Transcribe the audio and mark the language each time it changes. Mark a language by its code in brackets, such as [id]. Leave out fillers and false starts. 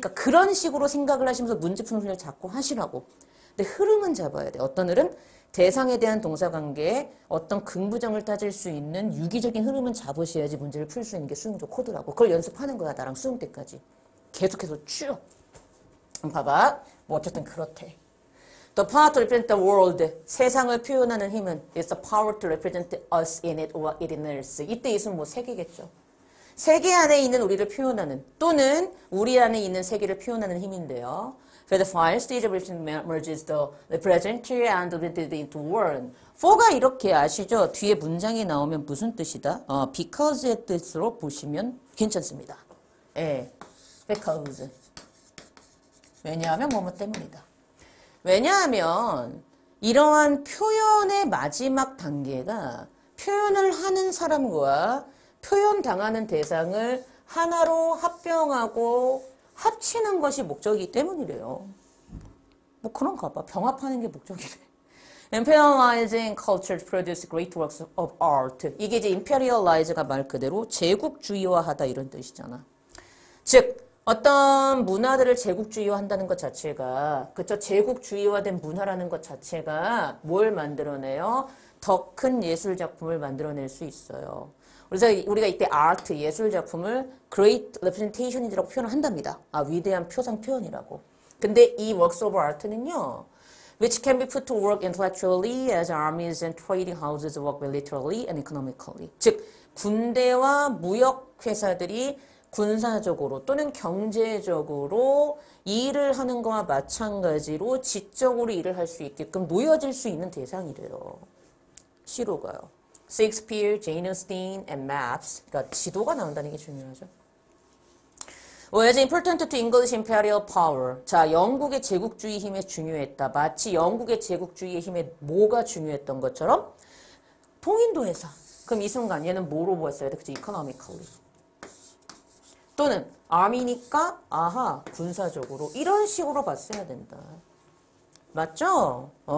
[ko] 그러니까 그런 식으로 생각을 하시면서 문제 푸는 소리를 자꾸 하시라고. 근데 흐름은 잡아야 돼. 어떤 흐름? 대상에 대한 동사관계에 어떤 긍부정을 따질 수 있는 유기적인 흐름은 잡으셔야지 문제를 풀수 있는 게 수능적 코드라고. 그걸 연습하는 거야, 나랑 수능 때까지. 계속해서 쭉. 봐봐. 뭐 어쨌든 그렇대. [en] The power to represent the world. [ko] 세상을 표현하는 힘은 [en] is the power to represent us in it or it in us. [ko] 이때 있으면 뭐 세계겠죠. 세계 안에 있는 우리를 표현하는 또는 우리 안에 있는 세계를 표현하는 힘인데요. [en] For the final stage of reaching merges the present and the related into one. [ko] For가 이렇게 아시죠? 뒤에 문장이 나오면 무슨 뜻이다? Because의 뜻으로 보시면 괜찮습니다. 예. Because. 왜냐하면 뭐뭐 때문이다. 왜냐하면 이러한 표현의 마지막 단계가 표현을 하는 사람과 표현당하는 대상을 하나로 합병하고 합치는 것이 목적이기 때문이래요. 뭐 그런가 봐. 병합하는 게 목적이래. [en] Imperializing culture to produce great works of art. [ko] 이게 이제 imperialize가 말 그대로 제국주의화하다 이런 뜻이잖아. 즉, 어떤 문화들을 제국주의화한다는 것 자체가, 그쵸? 제국주의화된 문화라는 것 자체가 뭘 만들어내요? 더큰 예술 작품을 만들어낼 수 있어요. 그래서 우리가 이때 아트, 예술 작품을 Great Representation이라고 표현을 한답니다. 아, 위대한 표상 표현이라고. 근데 이 [en] Works of Art는요, Which can be put to work intellectually as armies and trading houses work militarily and economically. [ko] 즉, 군대와 무역 회사들이 군사적으로 또는 경제적으로 일을 하는 것과 마찬가지로 지적으로 일을 할수 있게끔 놓여질 수 있는 대상이래요. 시로가요. [en] Shakespeare, Jane Austen, and maps. [ko] 그러니까 지도가 나온다는 게 중요하죠. [en] Was important to English imperial power. [ko] 자, 영국의 제국주의 힘에 중요했다. 마치 영국의 제국주의의 힘에 뭐가 중요했던 것처럼 통인도 회사. 그럼 이 순간 얘는 뭐로 보였어야 돼? 그치? Economically. 또는 army니까 아하 군사적으로 이런 식으로 봤어야 된다. 맞죠?